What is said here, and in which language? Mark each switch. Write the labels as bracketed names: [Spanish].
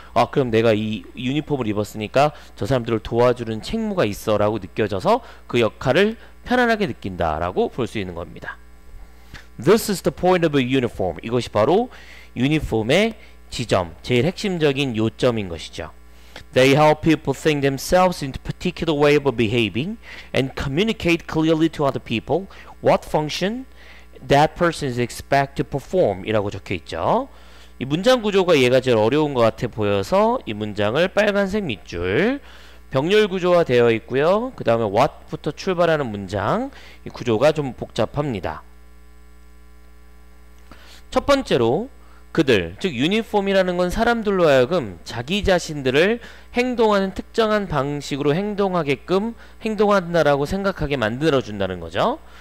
[Korean] 아 그럼 내가 이 유니폼을 입었으니까 저 사람들을 도와주는 책무가 있어 라고 느껴져서 그 역할을 편안하게 느낀다라고 볼 수 있는 겁니다. [English] This is the point of a uniform. [Korean] 이것이 바로 유니폼의 지점, 제일 핵심적인 요점인 것이죠. [English] They help people think themselves into a particular way of behaving and communicate clearly to other people what function that person is expected to perform. [Korean] 이라고 적혀 있죠. 이 문장 구조가 얘가 제일 어려운 것 같아 보여서 이 문장을 빨간색 밑줄 병렬 구조화 되어 있고요. 그 다음에 what부터 출발하는 문장 이 구조가 좀 복잡합니다. 첫 번째로 그들, 즉 유니폼이라는 건 사람들로 하여금 자기 자신들을 행동하는 특정한 방식으로 행동하게끔 행동한다라고 생각하게 만들어준다는 거죠.